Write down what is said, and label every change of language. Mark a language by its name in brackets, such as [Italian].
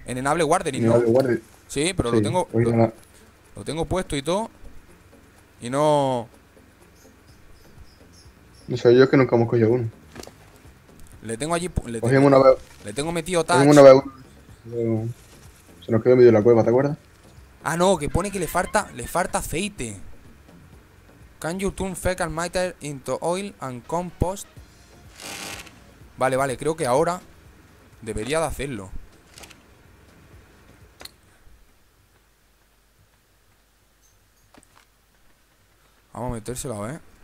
[Spanish] En Enable Warden, ¿no? Sí, pero sí, lo tengo... Lo tengo puesto y todo. Y no... No sé, yo es que nunca hemos cogido uno. Le tengo allí... Cogimos una vez... Le tengo metido touch. Cogimos una vez... Se nos quedó medio en la cueva, ¿te acuerdas? Ah, no, que pone que le falta aceite. [English] Can you turn fecal matter into oil and compost? [Spanish] Vale, vale, creo que ahora debería de hacerlo. Vamos a metérselo, ¿eh?